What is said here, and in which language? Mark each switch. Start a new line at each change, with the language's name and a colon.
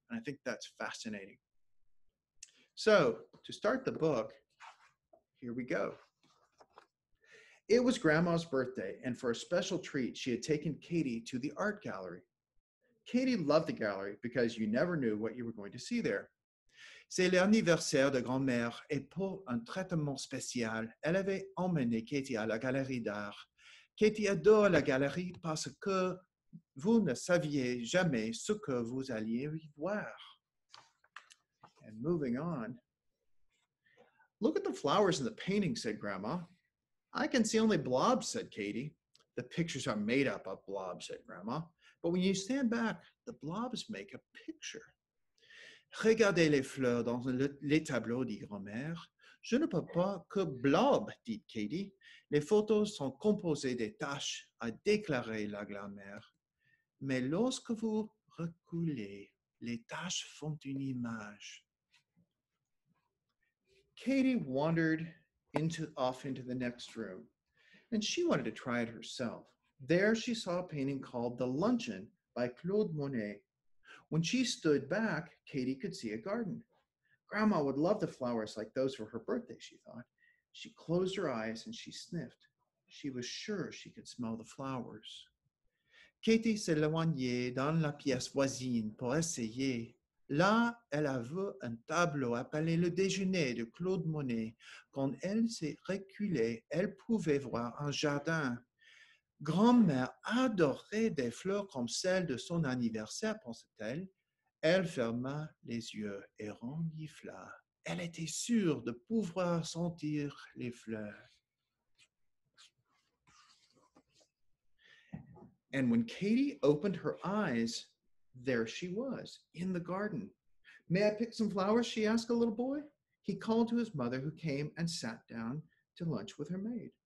English: And I think that's fascinating. So to start the book, here we go. It was Grandma's birthday, and for a special treat, she had taken Katie to the art gallery. Katie loved the gallery because you never knew what you were going to see there.
French: C'est l'anniversaire de grand-mère et pour un traitement spécial, elle avait emmené Katie à la galerie d'art. Katie adore la galerie parce que vous ne saviez jamais ce que vous alliez y voir.
English: And moving on. Look at the flowers in the painting, said Grandma. I can see only blobs, said Katie. The pictures are made up of blobs, said Grandma. But when you stand back, the blobs make a picture.
French: Regardez les fleurs dans les tableaux, dit grand-mère. Je ne peux pas que blob, dit Katie. Les photos sont composées des taches, a déclaré la grand-mère. Mais lorsque vous reculez, les taches font une image.
English: Katie wandered off into the next room, and she wanted to try it herself. There she saw a painting called The Luncheon by Claude Monet. When she stood back, Katie could see a garden. Grandma would love the flowers like those for her birthday, she thought. She closed her eyes and she sniffed. She was sure she could smell the flowers.
French: Katie s'éloignait dans la pièce voisine pour essayer. Là, elle a vu un tableau appelé Le Déjeuner de Claude Monet. Quand elle s'est reculée, elle pouvait voir un jardin. Grand-mère adorait des fleurs comme celles de son anniversaire, pensait-elle. Elle ferma les yeux et renifla. Elle était sûre de pouvoir sentir les fleurs.
English: And when Katie opened her eyes, there she was, in the garden. May I pick some flowers, she asked a little boy. He called to his mother, who came and sat down to lunch with her maid.